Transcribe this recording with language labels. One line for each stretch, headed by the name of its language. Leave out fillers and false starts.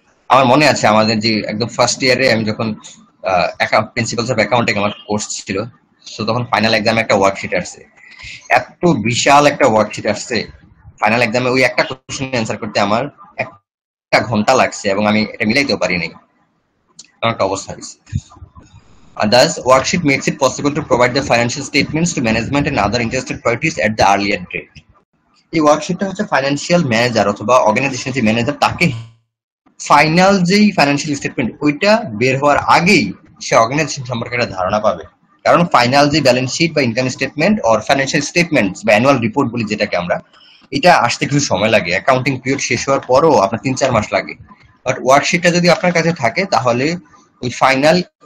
Bangla: আমার মনে আছে আমাদের যে একদম ফার্স্ট ইয়ারে আমি যখন প্রিন্সিপালস অফ অ্যাকাউন্টিং আমার কোর্স ছিল, সো তখন ফাইনাল এক্সামে একটা ওয়ার্কশিট আসছে, এত বিশাল একটা ওয়ার্কশিট আসছে ফাইনাল এক্সামে, ওই একটা কোয়েশ্চেন অ্যান্সার করতে আমার একটা ঘন্টা লাগছে এবং আমি এটা মিলাইতেও পারি নাই, কারণ একটা অবস্থা হয়েছে।
English: Thus, worksheet makes it possible to provide the financial statements to management and other interested parties at the earlier date.
Bangla: এই ওয়ার্কশিটটা হচ্ছে ফাইন্যান্সিয়াল ম্যানেজার অথবা অর্গানাইজেশনের যে ম্যানেজার তাকে ফাইনাল যেই ফাইন্যান্সিয়াল স্টেটমেন্ট ওইটা বের হওয়ার আগেই সে অর্গানাইজেশন সম্পর্কে একটা ধারণা পাবে কারণ ফাইনাল যে ব্যালেন্স শিট বা income statement or financial statement বা অ্যানুয়াল রিপোর্ট বলি যেটাকে আমরা এটা আসতে কিছু সময় লাগে অ্যাকাউন্টিং পিরিয়ড শেষ হওয়ার পরও আপনার 3-4 মাস লাগে বাট ওয়ার্কশিটটা যদি আপনার কাছে থাকে তাহলে ওই ফাইনাল